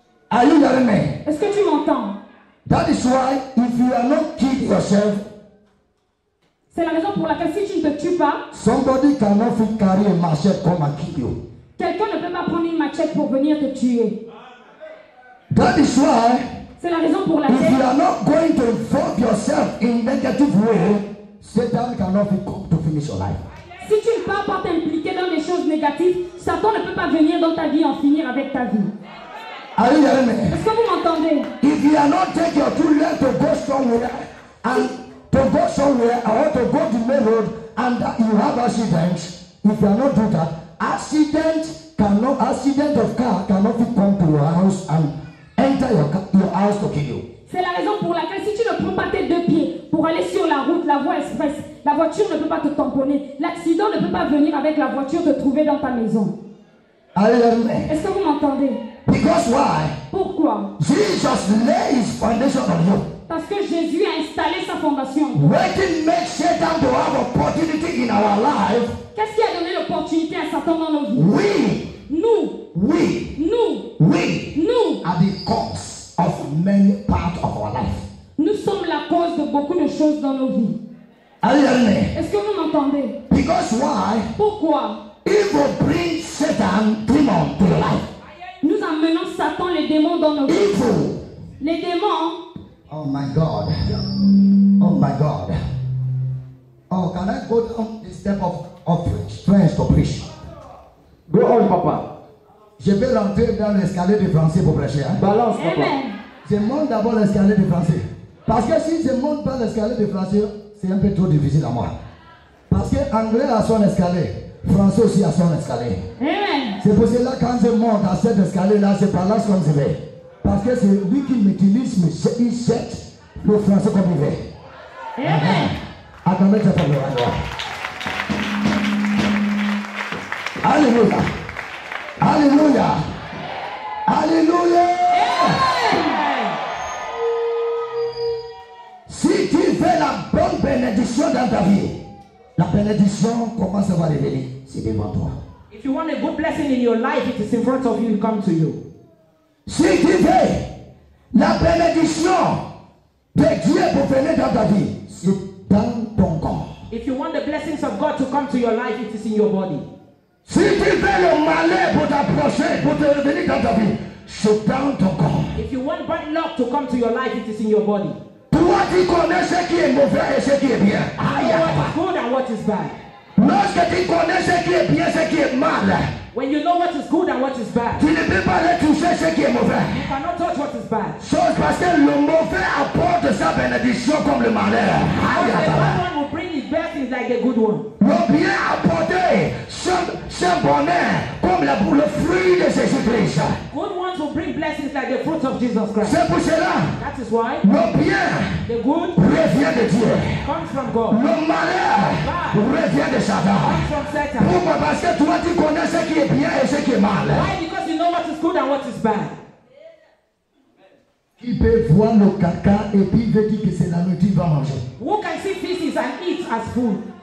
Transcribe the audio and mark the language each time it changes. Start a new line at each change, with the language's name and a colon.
English: Are you hearing me?
French: Est-ce que tu m'entends?
English: That is why if you are not killed yourself,
French: c'est la raison pour laquelle si tu ne te tues pas,
English: somebody cannot fit carry a machete come and kill you.
French: Quelqu'un ne peut pas prendre une machette pour venir te tuer.
English: That is why,
French: c'est la raison pour laquelle
English: if you are not going to involve yourself in negative way, Satan cannot fit come to finish your life.
French: Si tu ne pars pas t'impliquer dans les choses négatives, Satan ne peut pas venir dans ta vie en finir avec ta vie.
English: Are you hearing me?
French: Est-ce que vous m'entendez?
English: If you are not taking your two legs to go somewhere and to go somewhere or to go the main road and you have accidents, if you are not doing that, accident of car cannot come to your house and enter your house to kill you.
French: C'est la raison pour laquelle si tu ne prends pas tes deux pieds pour aller sur la route, la voie express, la voiture ne peut pas te tamponner. L'accident ne peut pas venir avec la voiture te trouver dans ta maison.
English: Are you hearing me?
French: Est-ce que vous m'entendez?
English: Because why?
French: Pourquoi?
English: Jesus laid his foundation on you.
French: Parce que Jésus a installé sa fondation.
English: What makes Satan to have opportunity in our life?
French: Qu'est-ce qui a donné l'opportunité à Satan dans nos vies?
English: We.
French: Nous.
English: We.
French: Nous.
English: We.
French: Nous.
English: Are the cause of many parts of our life.
French: Nous sommes la cause de beaucoup de choses dans nos vies.
English: Are you hearing me?
French: Est-ce que vous m'entendez?
English: Because why?
French: Pourquoi?
English: It will bring Satan demon to your life.
French: Nous amenons Satan, les démons dans nos vies.
English: Evil.
French: Les démons.
English: Oh my God. Oh my God. Oh, can I go down the step of strength to preach? Go on, papa.
French: Je vais rentrer dans l'escalier du français pour prêcher. Hein? Balance, papa. Amen. Je monte d'abord l'escalier du français. Parce que si je monte pas l'escalier du français, c'est un peu trop difficile à moi. Parce que anglais a son escalier. Français aussi a son escalier. Amen. C'est pour cela quand je monte à cet escalier-là, c'est par là que je vais. Parce que c'est lui qui m'utilise, mais il sait le français comme il veut. Amen. Attendez, c'est pas le roi. Alléluia. Alléluia. Alléluia. Si tu fais la bonne bénédiction dans ta vie, la bénédiction commence à revenir. C'est devant toi.
English: If you want a good blessing in your life, it is in front of you, it comes to you.
French: Si tu veux la bénédiction de Dieu pour venir dans ta vie, c'est dans ton corps.
English: If you want the blessings of God to come to your life, it is in your body.
French: Si tu veux le malheur pour t'approcher, pour te revenir dans ta vie, c'est dans ton corps.
English: If you want bad luck to come to your life, it is in your body.
French: Toi qui connais ce qui est mauvais et ce qui est bien.
English: Aïe. What is good and what is bad.
French: Lorsque tu connais ce qui est bien, ce qui est mal.
English: When you know what is good and what is bad.
French: Tu ne peux pas aller toucher ce qui est mauvais.
English: You cannot touch what is bad.
French: Chose parce que le mauvais apporte sa bénédiction comme le malheur.
English: Aïe. The bad one will bring his blessings like a good one.
French: Le bien apporte ce bonheur comme le fruit de Jésus-Christ.
English: Good ones will bring blessings like the fruits of Jesus Christ.
French: C'est pour cela.
English: That is why.
French: Le bien.
English: The good.
French: Revient de Dieu.
English: Comes from God.
French: Le malheur.
English: Bad.
French: Revient de Satan.
English: Comes from Satan.
French: Pourquoi? Parce que toi tu connais ce qui est bien et ce qui est mal.
English: Why? Because you know what is good and what is bad.
French: Qui peut voir le caca et puis veut dire que c'est la nourriture qu'il va manger?
English: Who can see feces and eat as food?